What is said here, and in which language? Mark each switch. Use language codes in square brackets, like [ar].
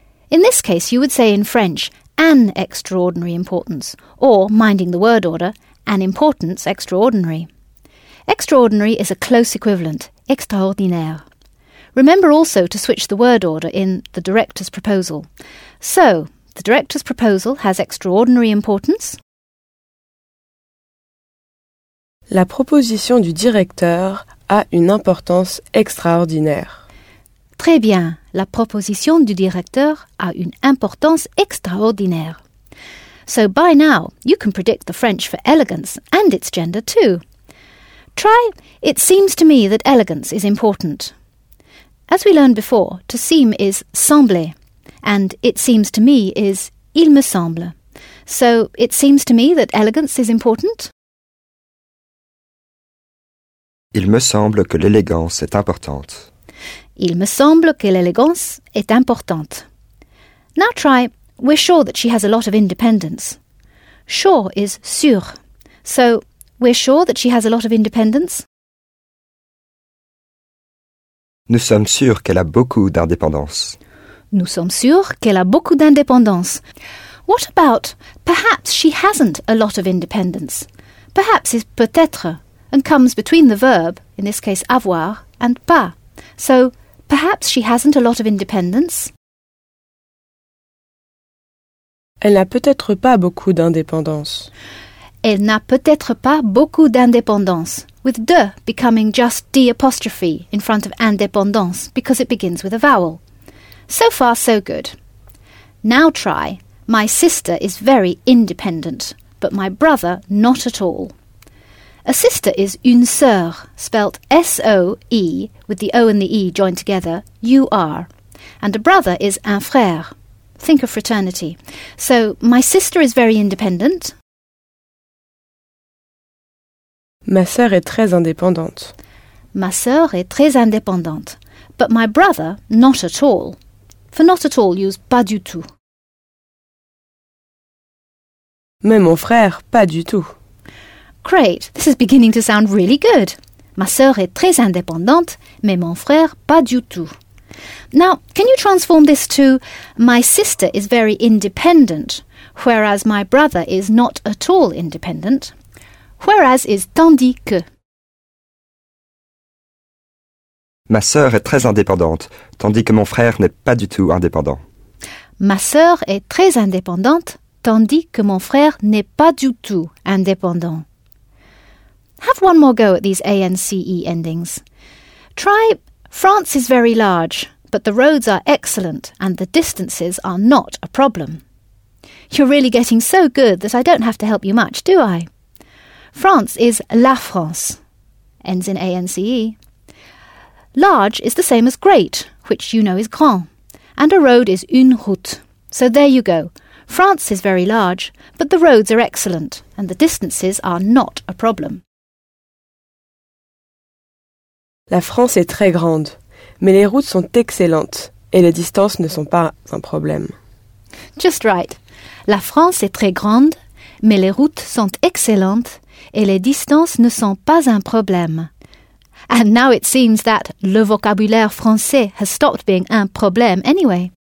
[en] In this case, you would say in French, an extraordinary importance, or, minding the word order, an importance extraordinary. Extraordinary is a close equivalent, extraordinaire. Remember also to switch the word order in the director's proposal. So, the director's proposal has extraordinary importance. [fr] La proposition du directeur a une importance extraordinaire. Très bien, la proposition du directeur a une importance extraordinaire. [en] So by now, you can predict the French for elegance and its gender too. Try, it seems to me that elegance is important. As we learned before, to seem is sembler, and it seems to me is [fr] il me semble. [en] So it seems to me that elegance is important. [fr] Il me semble que l'élégance est importante. Il me semble que l'élégance est importante. [en] Now try, we're sure that she has a lot of independence. Sure is sûr. So, we're sure that she has a lot of independence. [fr] Nous sommes sûrs qu'elle a beaucoup d'indépendance. Nous sommes sûrs qu'elle a beaucoup d'indépendance. [en] What about, perhaps she hasn't a lot of independence? Perhaps is peut-être, and comes between the verb, in this case avoir, and pas. So, perhaps she hasn't a lot of independence. [fr] Elle n'a peut-être pas beaucoup d'indépendance. Elle n'a peut-être pas beaucoup d'indépendance, [en] with de becoming just d apostrophe in front of indépendance, because it begins with a vowel. So far, so good. Now try, my sister is very independent, but my brother not at all. A sister is une sœur, spelt S-O-E, with the O and the E joined together, U-R. And a brother is un frère. Think of fraternity. So, my sister is very independent. [fr] Ma sœur est très indépendante. Ma sœur est très indépendante. [en] But my brother, not at all. For not at all, use [fr] pas du tout. Mais mon frère, pas du tout. [en] Great, this is beginning to sound really good. [fr] Ma sœur est très indépendante, mais mon frère, pas du tout. [en] Now, can you transform this to my sister is very independent, whereas my brother is not at all independent? Whereas is [fr] tandis que. Ma sœur est très indépendante, tandis que mon frère n'est pas du tout indépendant. Ma sœur est très indépendante, tandis que mon frère n'est pas du tout indépendant. [en] Have one more go at these A-N-C-E endings. Try, France is very large, but the roads are excellent and the distances are not a problem. You're really getting so good that I don't have to help you much, do I? France is la France, ends in A-N-C-E. Large is the same as great, which you know is grand, and a road is une route. So there you go. France is very large, but the roads are excellent and the distances are not a problem. [fr] La France est très grande, mais les routes sont excellentes et les distances ne sont pas un problème. [en] Just right. [fr] La France est très grande, mais les routes sont excellentes et les distances ne sont pas un problème. [en] And now it seems that [fr] le vocabulaire français [en] has stopped being [fr] un problème [en] anyway.